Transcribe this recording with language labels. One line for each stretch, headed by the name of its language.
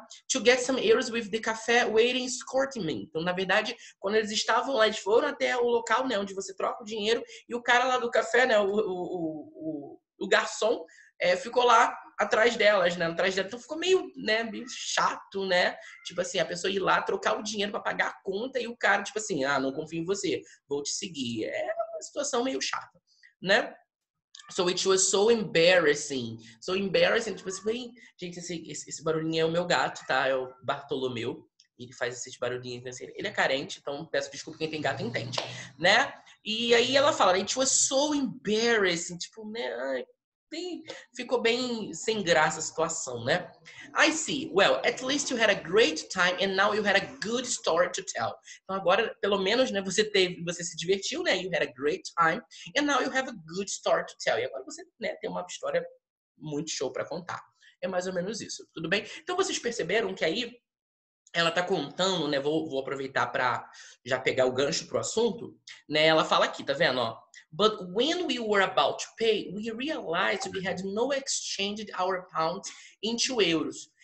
English: To get some euros with the café waiting escorting me.
Portuguese: Então, na verdade, quando eles estavam lá, eles foram até o local, né, onde você troca o dinheiro. E o cara lá do café, né, o garçom, ficou lá. Atrás delas, né? Atrás delas. Então ficou meio, né? Meio chato, né? Tipo assim, a pessoa ir lá trocar o dinheiro pra pagar a conta e o cara, tipo assim, ah, não confio em você, vou te seguir. É uma situação meio chata, né? So it was so embarrassing. So embarrassing, tipo assim, gente, esse barulhinho é o meu gato, tá? É o Bartolomeu. Ele faz esses barulhinhos, né? Ele é carente, então peço desculpa, quem tem gato entende, né? E aí ela fala, it was so embarrassing, tipo, né? Bem, ficou bem sem graça a situação, né?
English: I see. Well, at least you had a great time and now you had a good story to tell.
Portuguese: Então agora, pelo menos, né, você se divertiu, né? You had a great time and now you have a good story to tell. E agora você, né, tem uma história muito show pra contar. É mais ou menos isso, tudo bem? Então vocês perceberam que aí ela tá contando, né? Vou aproveitar pra já pegar o gancho pro assunto, né? Ela fala aqui, tá vendo, ó?
English: But when we were about to pay, we realized we had no exchanged our pounds into euros.